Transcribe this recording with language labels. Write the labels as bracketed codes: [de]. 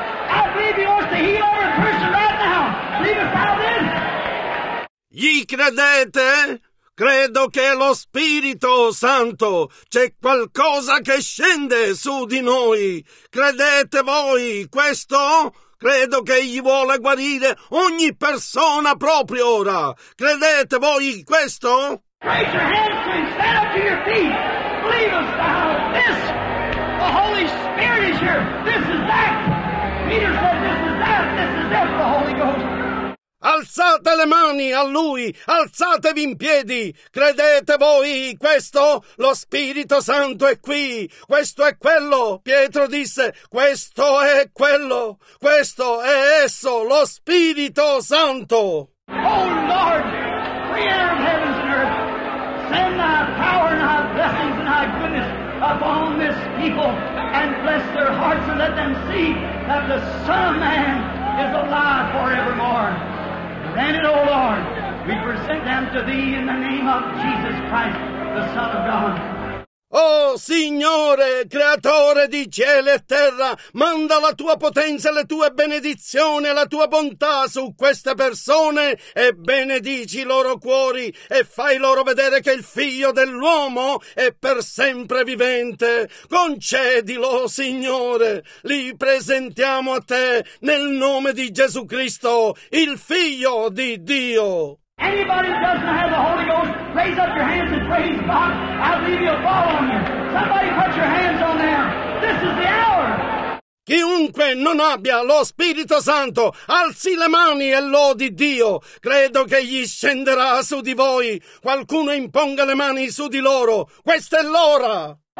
[en] I believe he wants to heal every person right now. Believe us now this. [it] Gli credete? Credo che lo Spirito Santo, c'è qualcosa che scende su di noi. Credete voi questo? Credo che egli vuole guarire ogni persona proprio ora. Credete voi questo? [en] Raise your hands and stand up to your feet. Believe us now. This, the Holy Spirit is here. This is that. Peter said this is that. This is that, the Holy Ghost. [it] Alzate le mani a Lui, alzatevi in piedi. Credete voi questo? Lo Spirito Santo è qui. Questo è quello, Pietro disse. Questo è quello. Questo è esso, lo Spirito Santo. [en] Oh Lord, creator of heavens and earth, send thy power and thy blessings and thy goodness upon this people and bless their hearts and let them see that the Son of Man is alive forevermore. Grant it, O Lord, we present them to Thee in the name of Jesus Christ, the Son of God. [it] Oh Signore, creatore di cielo e terra, manda la tua potenza, le tue benedizioni, la tua bontà su queste persone e benedici i loro cuori e fai loro vedere che il Figlio dell'uomo è per sempre vivente. Concedilo, Signore, li presentiamo a te nel nome di Gesù Cristo, il Figlio di Dio. [en] Anybody who doesn't have the Holy Ghost, raise up your hands and praise God. I believe he'll fall on you. Somebody put your hands on there. This is the hour. [it] Chiunque non abbia lo Spirito Santo, alzi le mani e lodi Dio. Credo che gli scenderà su di voi. Qualcuno imponga le mani su di loro. Questa è l'ora.